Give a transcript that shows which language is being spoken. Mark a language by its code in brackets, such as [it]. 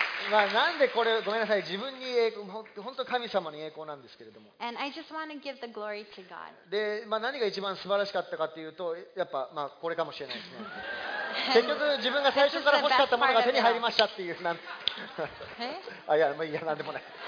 [ja] まあなんでこれ、ごめんなさい、自分に栄光、本当神様に栄光なんですけれども、 [en] And I just want to give the glory to God. [ja] で、まあ、何が一番素晴らしかったかというと、やっぱまあこれかもしれないですね。結局自分が最初から欲しかったものが手に入りましたっていう、なん、え、あ、いや、まあ、いや、なんでもない。